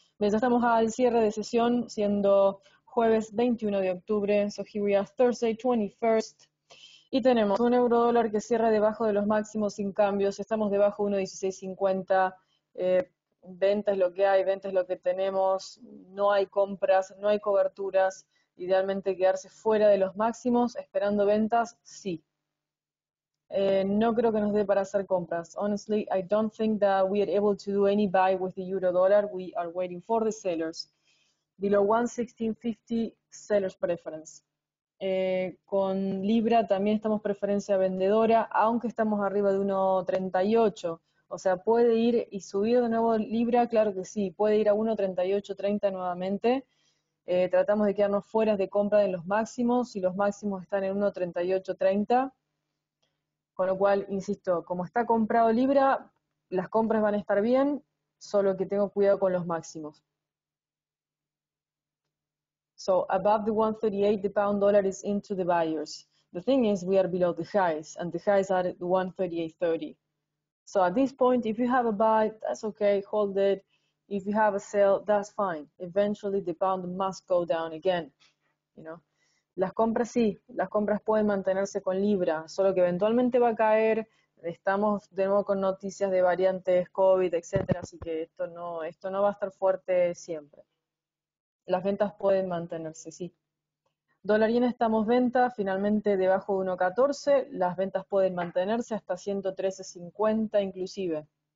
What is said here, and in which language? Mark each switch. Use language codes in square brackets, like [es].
[es] Bien, ya estamos al cierre de sesión, siendo jueves 21 de octubre, [en] so here we are, Thursday 21st, [es] y tenemos un euro dólar que cierra debajo de los máximos sin cambios, estamos debajo 1.1650, venta es lo que hay, venta es lo que tenemos, no hay compras, no hay coberturas, idealmente quedarse fuera de los máximos, esperando ventas, sí. No creo que nos dé para hacer compras. [en] Honestly, I don't think that we are able to do any buy with the euro dollar. We are waiting for the sellers. Below 1.1650, sellers preference. [es] Con libra también estamos preferencia vendedora, aunque estamos arriba de 1.38. O sea, puede ir y subir de nuevo libra, claro que sí. Puede ir a 1.3830 nuevamente. Tratamos de quedarnos fuera de compra de los máximos, si los máximos están en 1.3830. Con lo cual, insisto, como está comprado libra, las compras van a estar bien, solo que tengo cuidado con los máximos. [en] So, above the 1.38, the pound dollar is into the buyers. The thing is, we are below the highs, and the highs are at 1.3830. So, at this point, if you have a buy, that's okay, hold it. If you have a sell, that's fine. Eventually, the pound must go down again, you know. [es] Las compras sí, las compras pueden mantenerse con libra, solo que eventualmente va a caer, estamos de nuevo con noticias de variantes COVID, etcétera, así que esto no va a estar fuerte siempre. Las ventas pueden mantenerse, sí. Dólar yen estamos venta, finalmente debajo de 1.14, las ventas pueden mantenerse hasta 113.50 inclusive.